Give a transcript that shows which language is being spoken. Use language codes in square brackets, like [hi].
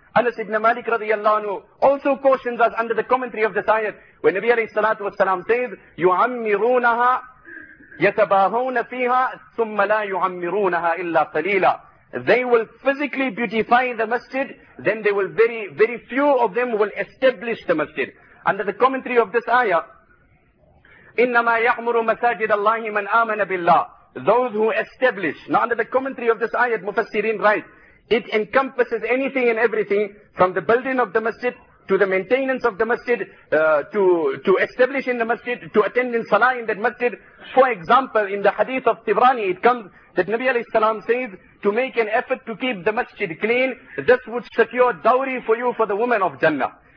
[en] Anas ibn Malik radiallahu anhu also cautions us under the commentary of this ayat, when Nabi alayhi salatu wasalam says, [ar] يُعَمِّرُونَهَا يَتَبَاهُونَ فِيهَا ثُمَّ لَا يُعَمِّرُونَهَا إِلَّا قَلِيلًا. [en] They will physically beautify the masjid, then they will very, very few of them will establish the masjid. Under the commentary of this ayah, [ar] إِنَّمَا يَعْمُرُ مَسَاجِدَ اللَّهِ مَنْ آمَنَ بِاللَّهِ. [en] Those who establish. Now under the commentary of this ayah, Mufassirin write, it encompasses anything and everything from the building of the masjid to the maintenance of the masjid, to establish in the masjid, to attend in salah in that masjid. For example, in the hadith of Tibrani, it comes that Nabi alayhi salam says, to make an effort to keep the masjid clean, this would secure dowry for you for the woman of Jannah.